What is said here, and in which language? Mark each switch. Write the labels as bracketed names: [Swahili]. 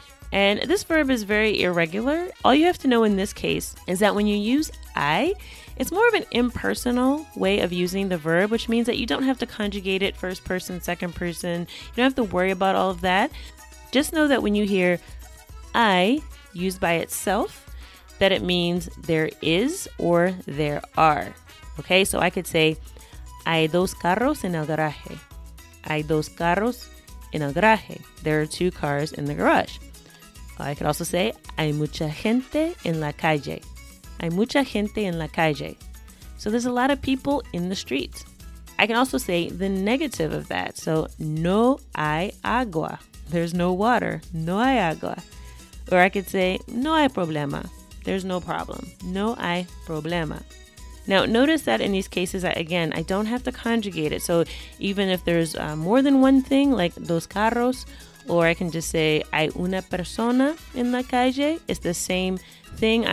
[English] And this verb is very irregular. All you have to know in this case is that when you use I, it's more of an impersonal way of using the verb, which means that you don't have to conjugate it first person, second person. You don't have to worry about all of that. Just know that when you hear I used by itself, that it means there is or there are. Okay, so I could say, [Spanish] hay dos carros en el garaje. Hay dos carros en el garaje. [English] There are two cars in the garage. I could also say, [Spanish] hay mucha gente en la calle. Hay mucha gente en la calle. [English] So there's a lot of people in the street. I can also say the negative of that. [Spanish] So no hay agua. [English] There's no water. [Spanish] No hay agua. [English] Or I could say [Spanish] no hay problema. [English] There's no problem. [Spanish] No hay problema. [English] Now notice that in these cases, again, I don't have to conjugate it. So even if there's more than one thing, like [Spanish] dos carros, [English] or I can just say [Spanish] hay una persona en la calle, [English] it's the same thing.